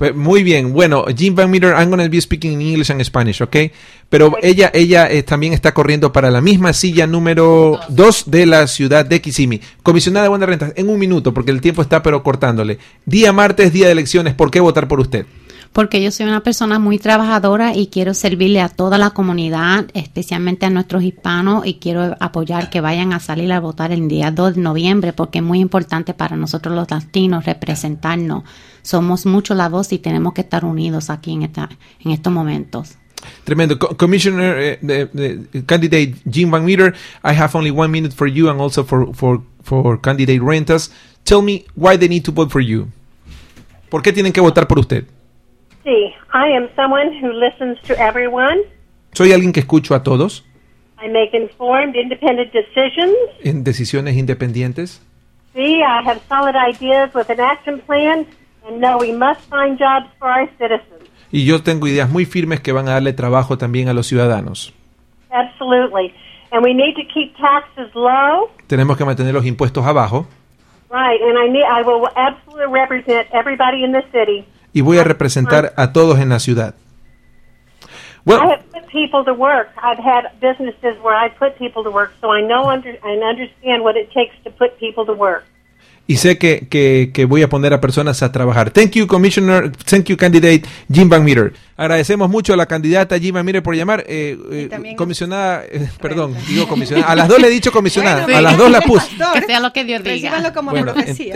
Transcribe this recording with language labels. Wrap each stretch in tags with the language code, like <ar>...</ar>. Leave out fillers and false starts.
<es>Muy bien, bueno,</es> <en>Jim Van Meter, I'm going to be speaking in English and Spanish, okay?</en> <es>Pero ella también está corriendo para la misma silla número 2 de la ciudad de Kissimmee. Comisionada Wanda Rentas, en un minuto, porque el tiempo está pero cortándole. Día martes, día de elecciones, ¿por qué votar por usted? Porque yo soy una persona muy trabajadora y quiero servirle a toda la comunidad, especialmente a nuestros hispanos, y quiero apoyar que vayan a salir a votar el día 2 de noviembre, porque es muy importante para nosotros los latinos representarnos. Somos mucho la voz y tenemos que estar unidos aquí en estos momentos. Tremendo.</es> <en>Commissioner, candidate Jim Van Meter, I have only 1 minute for you and also for candidate Rentas. Tell me why they need to vote for you.</en> <es>¿Por qué tienen que votar por usted?</es> <en>See, I am someone who listens to everyone.</en> <es>Soy alguien que escucho a todos.</es> <en>I make informed, independent decisions.</en> <es>En decisiones independientes.</es> <en>See, I have solid ideas with an action plan, and know we must find jobs for our citizens.</en> <es>Y yo tengo ideas muy firmes que van a darle trabajo también a los ciudadanos.</es> <en>Absolutely. And we need to keep taxes low.</en> <es>Tenemos que mantener los impuestos abajo.</es> <en>Right, and I will absolutely represent everybody in the city.</en> <es>Y voy a representar a todos en la ciudad.</es> <en>Well, I have put people to work. I've had businesses where I put people to work, so I know and understand what it takes to put people to work.</en> <es>Y sé que voy a poner a personas a trabajar.</es> <en>Thank you, Commissioner. Thank you, candidate Jim Van Meter.</en> <es>Agradecemos mucho a la candidata Jim Van Meter por llamar. Comisionada, perdón, digo comisionada. A las dos le he dicho comisionada. Bueno, a las dos la puse. Que sea lo que Dios diga. Recíbalo como bueno, profecía.</es>